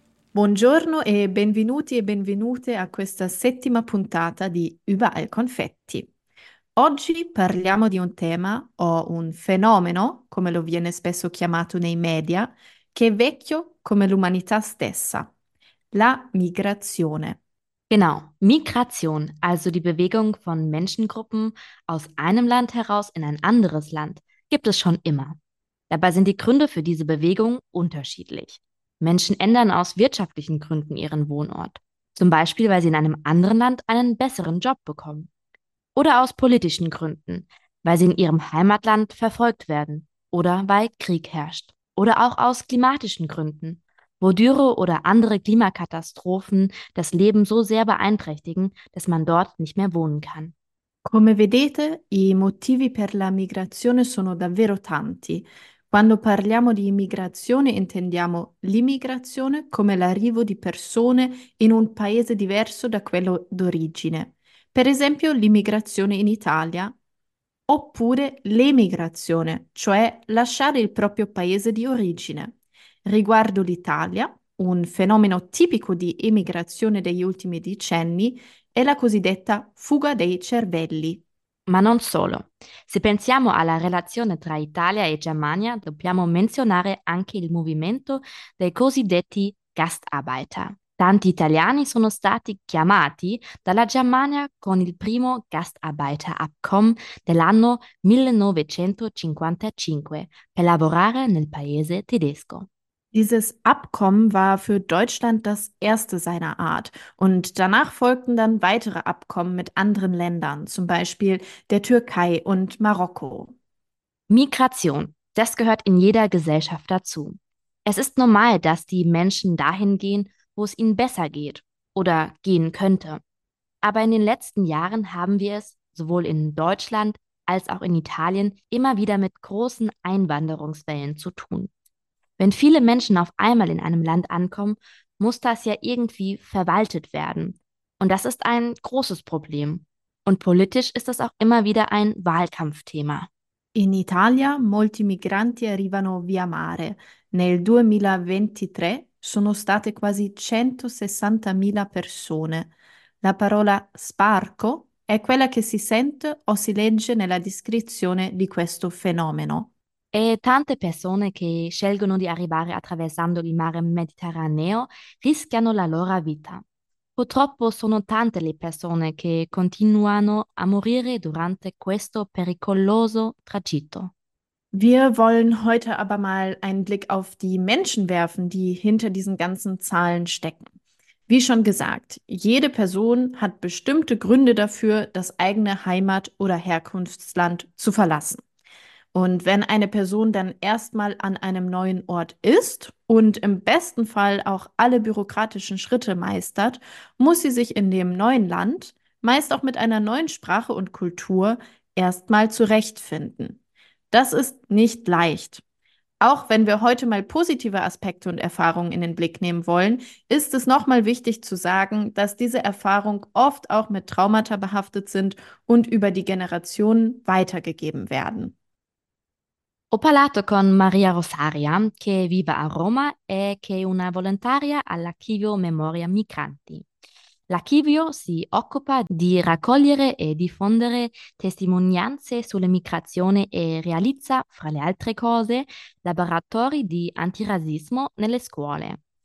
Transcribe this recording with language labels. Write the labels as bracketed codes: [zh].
[it] Buongiorno e benvenuti e benvenute a questa settima puntata di Viva il Confetti. Oggi parliamo di un tema o un fenomeno, come lo viene spesso chiamato nei media, che è vecchio come l'umanità stessa, la migrazione. [de] Genau, Migration, also die Bewegung von Menschengruppen aus einem Land heraus in ein anderes Land, gibt es schon immer. Dabei sind die Gründe für diese Bewegung unterschiedlich. Menschen ändern aus wirtschaftlichen Gründen ihren Wohnort, zum Beispiel weil sie in einem anderen Land einen besseren Job bekommen. Oder aus politischen Gründen, weil sie in ihrem Heimatland verfolgt werden oder weil Krieg herrscht. Oder auch aus klimatischen Gründen, wo Dürre oder andere Klimakatastrophen das Leben so sehr beeinträchtigen, dass man dort nicht mehr wohnen kann. [it] Come vedete, i motivi per la migrazione sono davvero tanti. Quando parliamo di immigrazione intendiamo l'immigrazione come l'arrivo di persone in un paese diverso da quello d'origine. Per esempio l'immigrazione in Italia, oppure l'emigrazione, cioè lasciare il proprio paese di origine. Riguardo l'Italia, un fenomeno tipico di emigrazione degli ultimi decenni è la cosiddetta fuga dei cervelli. Ma non solo. Se pensiamo alla relazione tra Italia e Germania, dobbiamo menzionare anche il movimento dei cosiddetti Gastarbeiter. Tanti italiani sono stati chiamati dalla Germania con il primo Gastarbeiterabkommen dell'anno 1955 per lavorare nel paese tedesco. [de] Dieses Abkommen war für Deutschland das erste seiner Art und danach folgten dann weitere Abkommen mit anderen Ländern, zum Beispiel der Türkei und Marokko. Migration, das gehört in jeder Gesellschaft dazu. Es ist normal, dass die Menschen dahin gehen, wo es ihnen besser geht oder gehen könnte. Aber in den letzten Jahren haben wir es, sowohl in Deutschland als auch in Italien, immer wieder mit großen Einwanderungswellen zu tun. Wenn viele Menschen auf einmal in einem Land ankommen, muss das ja irgendwie verwaltet werden. Und das ist ein großes Problem. Und politisch ist das auch immer wieder ein Wahlkampfthema. [it] In Italia molti migranti arrivano via mare. Nel 2023 sono state quasi 160.000 persone. La parola sbarco è quella che si sente o si legge nella descrizione di questo fenomeno. E tante persone che scelgono di arrivare attraversando il mare Mediterraneo rischiano la loro vita. Purtroppo sono tante le persone che continuano a morire durante questo pericoloso tragitto. [de] Wir wollen heute aber mal einen Blick auf die Menschen werfen, die hinter diesen ganzen Zahlen stecken. Wie schon gesagt, jede Person hat bestimmte Gründe dafür, das eigene Heimat- oder Herkunftsland zu verlassen. Und wenn eine Person dann erstmal an einem neuen Ort ist und im besten Fall auch alle bürokratischen Schritte meistert, muss sie sich in dem neuen Land, meist auch mit einer neuen Sprache und Kultur, erstmal zurechtfinden. Das ist nicht leicht. Auch wenn wir heute mal positive Aspekte und Erfahrungen in den Blick nehmen wollen, ist es nochmal wichtig zu sagen, dass diese Erfahrungen oft auch mit Traumata behaftet sind und über die Generationen weitergegeben werden. [it] Ho parlato con Maria Rosaria, che vive a Roma e che è una volontaria all'Archivio Memoria Migranti. L'archivio si occupa di raccogliere e diffondere testimonianze sulle migrazioni e realizza, fra le altre cose, laboratori di antirazzismo nelle scuole.